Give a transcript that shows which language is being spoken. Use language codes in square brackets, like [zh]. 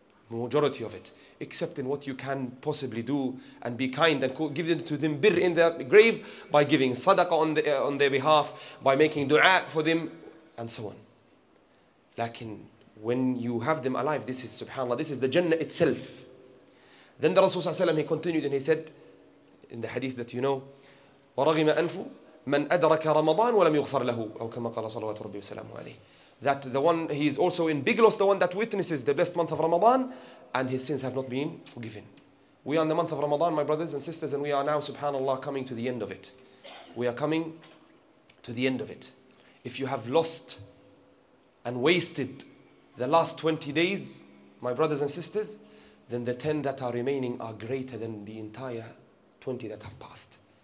[en] Majority of it, except in what you can possibly do and be kind and give it to them birr in their grave by giving sadaqah on their behalf, by making dua for them, and so on. Lakin, when you have them alive, this is subhanAllah, this is the Jannah itself. Then the Rasulullah ﷺ, he continued and he said, in the hadith that you know, [ar] وَرَغِمَ أَنْفُ مَنْ أَدْرَكَ رَمَضَانُ وَلَمْ يُغْفَرْ لَهُ أَوْ كَمَا قَالَ صَلَوَاتُ رَبِّهُ وَسَلَامُهُ عَلَيْهِ. [en] That the one, he is also in big loss, the one that witnesses the best month of Ramadan, and his sins have not been forgiven. We are in the month of Ramadan, my brothers and sisters, and we are now, subhanAllah, coming to the end of it. We are coming to the end of it. If you have lost and wasted the last 20 days, my brothers and sisters, then the 10 that are remaining are greater than the entire 20 that have passed.